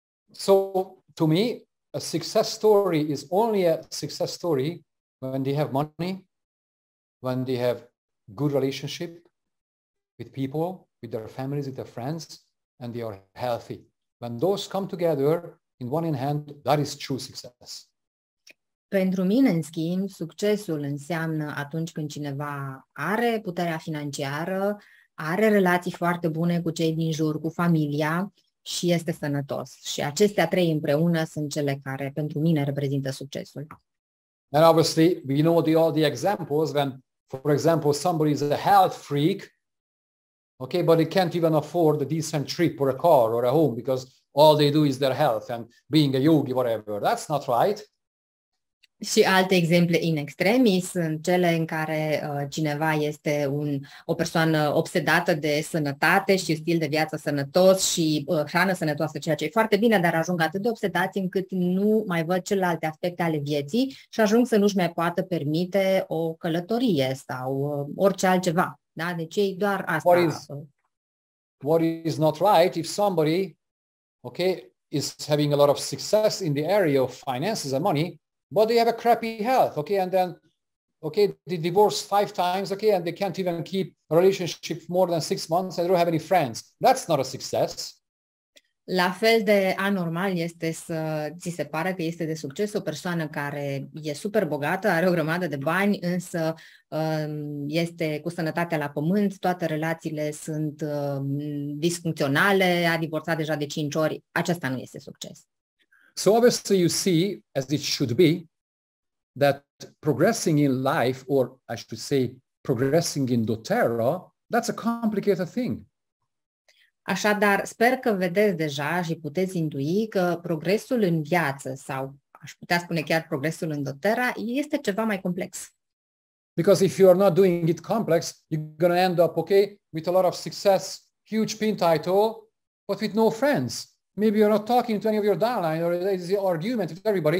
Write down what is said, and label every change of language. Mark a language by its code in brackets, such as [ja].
[en] So, to me, a success story is only a success story when they have money, when they have good relationship with people, with their families, with their friends, and they are healthy. When those come together in one in hand, that is true success. [ro] Pentru mine, în schimb, succesul înseamnă atunci când cineva are puterea financiară, are relații foarte bune cu cei din jur, cu familia și este sănătos. Și acestea trei împreună sunt cele care pentru mine reprezintă succesul. [en] And obviously, we know all the examples when, for example, somebody is a health freak, okay, but they can't even afford a decent trip or a car or a home because all they do is their health and being a yogi, whatever. That's not right. [ro] Și alte exemple in extremis sunt cele în care cineva este o persoană obsedată de sănătate și stil de viață sănătos și hrană sănătoasă, ceea ce e foarte bine, dar ajung atât de obsedați încât nu mai văd celelalte aspecte ale vieții și ajung să nu-și mai poată permite o călătorie sau orice altceva. Da? Deci ei doar asta. [en] What is not right if somebody, okay, is having a lot of success in the area of finances and money, but they have a crappy health, okay, and then, okay, they divorce 5 times, okay, and they can't even keep a relationship more than 6 months, and don't have any friends. That's not a success. [ro] La fel de anormal este să ți se pare că este de succes o persoană care e super bogată, are o grămadă de bani, însă este cu sănătatea la pământ, toate relațiile sunt disfuncționale, a divorțat deja de 5 ori, aceasta nu este succes. [en] So obviously you see, as it should be, that progressing in life, or I should say, progressing in doTERRA, that's a complicated thing. [ro] Așadar, sper că vedeți deja și puteți intui că progresul în viață, sau aș putea spune chiar progresul în doTERRA, este ceva mai complex. [en] Because if you are not doing it complex, you're going to end up, okay, with a lot of success, huge pin title, but with no friends. Maybe you're not talking to any of your downline or there is the argument with everybody.